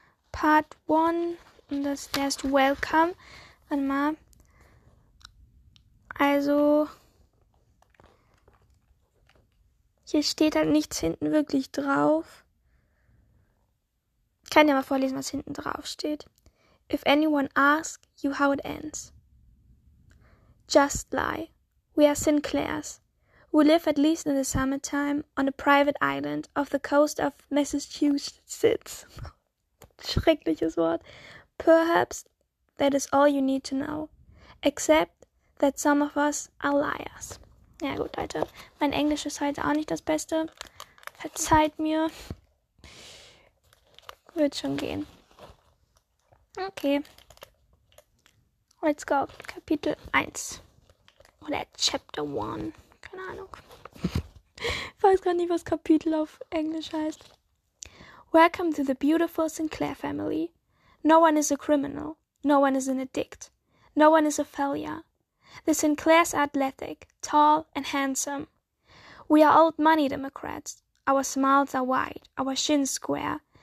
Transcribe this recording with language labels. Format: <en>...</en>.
<de>Part 1. Und das der ist Welcome. Warte mal. Also, hier steht halt nichts hinten wirklich drauf. Ich kann ja mal vorlesen, was hinten drauf steht.</de> <en>If anyone asks you how it ends, just lie. We are Sinclairs. We live at least in the summertime on a private island off the coast of Massachusetts.</en> <de>Schreckliches Wort.</de> <en>Perhaps that is all you need to know. Except that some of us are liars.</en> <de>Ja gut, Leute. Mein Englisch ist heute auch nicht das Beste. Verzeiht mir. Wird schon gehen. Okay.</de> <en>Let's go.</en> <de>Kapitel 1. Oder Chapter 1. Keine Ahnung. Ich weiß gar nicht, was Kapitel auf Englisch heißt.</de> <en>Welcome to the beautiful Sinclair family. No one is a criminal. No one is an addict. No one is a failure. The Sinclairs are athletic, tall and handsome. We are old money Democrats. Our smiles are wide. Our shins square.</en>